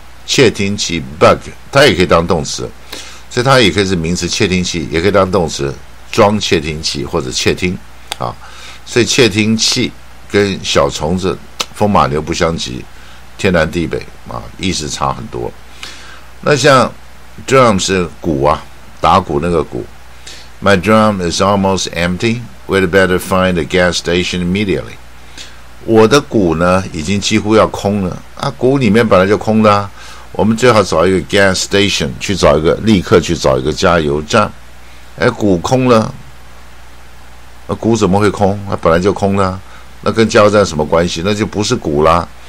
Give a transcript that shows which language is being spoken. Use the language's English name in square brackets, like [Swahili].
[Chinese] 窃听器 bug， 它也可以当动词，所以它也可以是名词窃听器，也可以当动词装窃听器或者窃听啊。所以窃听器跟小虫子风马牛不相及，天南地北啊，意思差很多。那像 drum 是鼓啊，打鼓那个鼓。 [English] My drum is almost empty. We'd better find a gas station immediately. [Chinese] 我的鼓呢，已经几乎要空了啊！鼓里面本来就空的啊，我们最好找一个 gas station 去找一个，立刻去找一个加油站。哎，股空了，那股怎么会空？那本来就空了，那跟加油站什么关系？那就不是股啦。